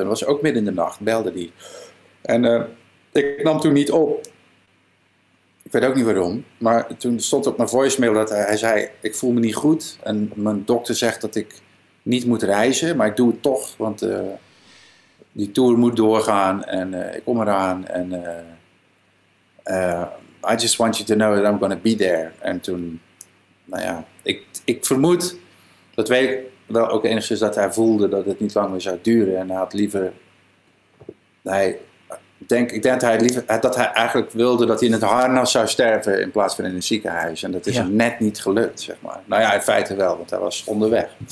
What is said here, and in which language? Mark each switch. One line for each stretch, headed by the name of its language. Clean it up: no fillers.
Dutch: Dat was ook midden in de nacht. Belde hij. En ik nam toen niet op. Ik weet ook niet waarom. Maar toen stond op mijn voicemail dat hij zei... Ik voel me niet goed. En mijn dokter zegt dat ik niet moet reizen. Maar ik doe het toch. Want die tour moet doorgaan. En ik kom eraan.
English: En I just want you to know that I'm going to be there.
Dutch: En toen... Ik vermoed... Dat weet ik... Wel ook enigszins dat hij voelde dat het niet lang meer zou duren. En hij had liever... Ik denk dat hij eigenlijk wilde dat hij in het harnas zou sterven... in plaats van in een ziekenhuis. En dat is hem net niet gelukt, zeg maar. Nou ja, in feite wel, want hij was onderweg.